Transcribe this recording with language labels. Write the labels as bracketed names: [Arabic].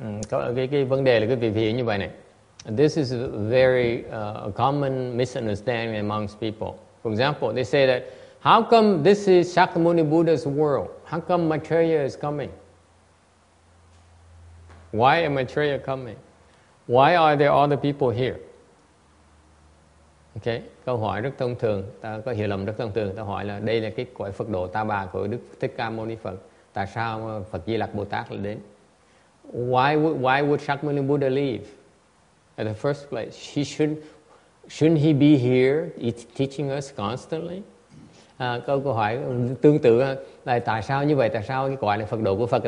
[Vietnamese] Cái vấn đề là cái vị vị như vậy này. [English] This is a very common misunderstanding amongst people. For example, they say that, how come this is Shakyamuni Buddha's world? How come Maitreya is coming? Why is Maitreya coming? Why are there other people here? [Vietnamese] Okay, câu hỏi rất thông thường, ta có hiểu lầm rất thông thường. Ta hỏi là đây là cái quả Phật độ ta bà của Đức Thích Ca Mâu Ni Phật. Tại sao Phật Di Lặc Bồ Tát lại đến? [English] Why would Shakyamuni Buddha leave at the first place? Shouldn't he be here? He's teaching us constantly. [Vietnamese] Câu hỏi tương tự là tại sao như vậy? Tại sao cái quả này Phật độ của Phật?